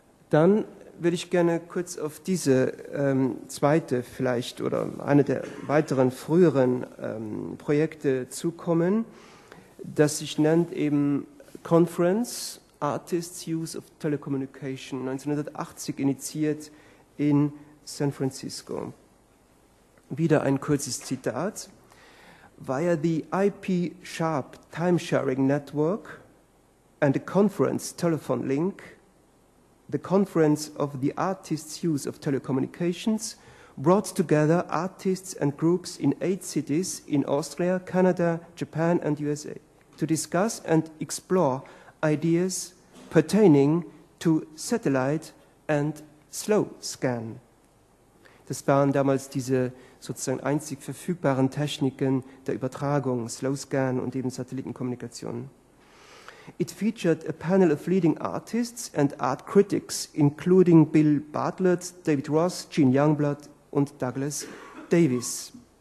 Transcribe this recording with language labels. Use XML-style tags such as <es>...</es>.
<de>Dann würde ich gerne kurz auf diese zweite vielleicht oder eine der weiteren früheren Projekte zukommen, das sich nennt eben Conference, Artists' Use of Telecommunication, 1980 initiiert in San Francisco. Wieder ein kurzes Zitat.</de> <en>Via the IP-SHARP Timesharing Network and a conference telephone link, the Conference of the Artists' Use of Telecommunications brought together artists and groups in 8 cities in Austria, Canada, Japan and USA to discuss and explore ideas pertaining to satellite and slow scan.</en> <de>Das waren damals diese sozusagen einzig verfügbaren Techniken der Übertragung, slow scan und eben Satellitenkommunikation.</de> <en>It featured a panel of leading artists and art critics, including Bill Bartlett, David Ross, Gene Youngblood und Douglas Davis.</en>